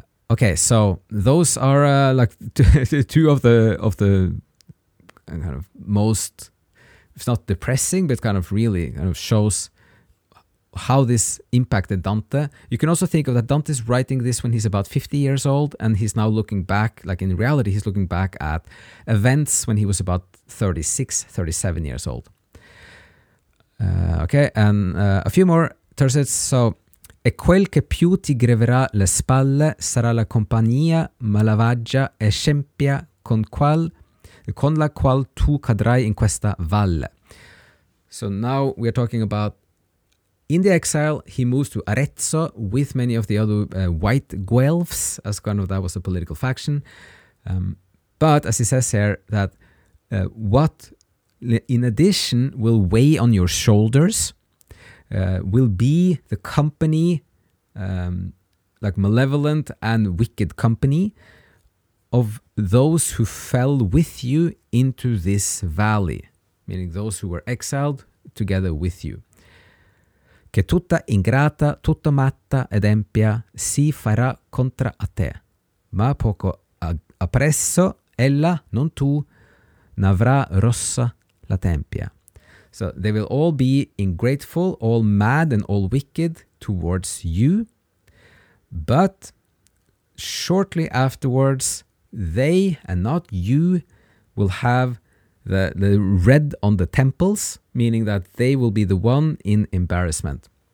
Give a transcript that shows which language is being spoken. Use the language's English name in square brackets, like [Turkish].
[English] Okay, so those are like two of the kind of most, if not depressing, but kind of really kind of shows how this impacted Dante. You can also think of that Dante's writing this when he's about 50 years old, and he's now looking back, like in reality, he's looking back at events when he was about 36, 37 years old. Okay, and a few more tercets. So [Italian] E quel che più ti greverà le spalle sarà la compagnia malvagia e scempia con la qual tu cadrai in questa valle. [English] So now we are talking about in the exile, he moves to Arezzo with many of the other white Guelphs, as kind of that was a political faction. But as he says here, that what in addition will weigh on your shoulders will be the company, like malevolent and wicked company, of those who fell with you into this valley, meaning those who were exiled together with you. [Italian] Che tutta ingrata, tutta matta ed empia si farà contra a te, ma poco appresso ella, non tu, n'avrà rossa la tempia. [English] So they will all be ungrateful, all mad and all wicked towards you, but shortly afterwards they, and not you, will have the red on the temples, meaning that they will be the one in embarrassment.